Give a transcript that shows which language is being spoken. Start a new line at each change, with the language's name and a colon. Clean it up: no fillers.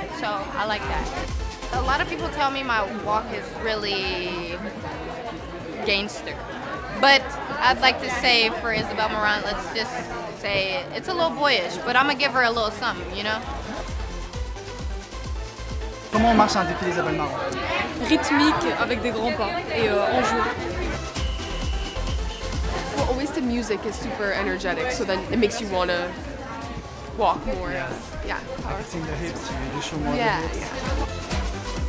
English: So I like that. A lot of people tell me my walk is really gangster. But I'd like to say for Isabel Marant, let's just say it's a little boyish, but I'm gonna give her a little something, you know?
French: Comment on marche un défilé Isabel Marant? Rythmique avec des grands pas et on joue.
English: Well, always the music is super energetic, so then it makes you want to walk more. Yes. Yeah. Acting the hips, you show more the hips.